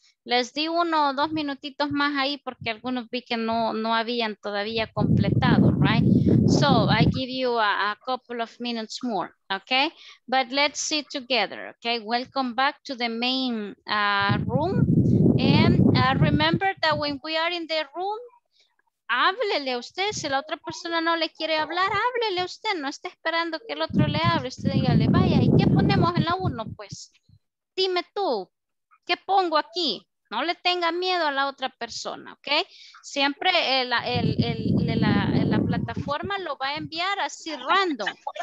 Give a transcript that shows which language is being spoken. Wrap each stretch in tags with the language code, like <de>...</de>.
<es>Les di uno o dos minutitos más ahí porque algunos vi que no habían todavía completado, right?</es> <en>So I give you a couple of minutes more, okay? But let's see together, okay? Welcome back to the main room. And remember that when we are in the room,</en> <es>háblele a usted. Si la otra persona no le quiere hablar, háblele a usted. No está esperando que el otro le hable. Usted dígale, vaya, ¿y qué ponemos en la 1, pues? Dime tú, ¿qué pongo aquí? No le tenga miedo a la otra persona, ¿ok? Siempre la plataforma lo va a enviar así random.</es>